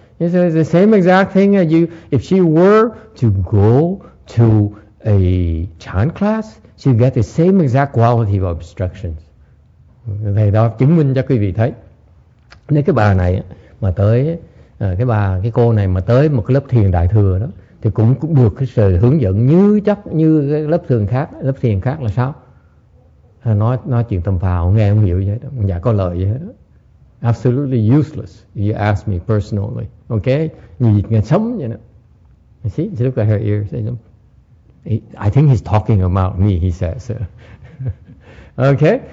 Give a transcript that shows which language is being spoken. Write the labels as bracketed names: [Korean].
[English] It's the same exact thing that you, if she were to go to a Chan class, she'd get the same exact quality of obstructions. [Vietnamese] Thầy đó chứng minh cho quý vị thấy. Nếu cái bà này mà tới, cái cô này mà tới một cái lớp thiền đại thừa đó, thì cũng được cái sự hướng dẫn như chắc như cái lớp thiền khác là sao? Nói chuyện tầm phào, nghe không hiểu gì hết, dạ có lợi gì hết. [English] Absolutely useless, you ask me personally. Okay? [Vietnamese] Như dịch nghe sống vậy đó. [English] You see? You look at her ears. I think he's talking about me, he says. Okay?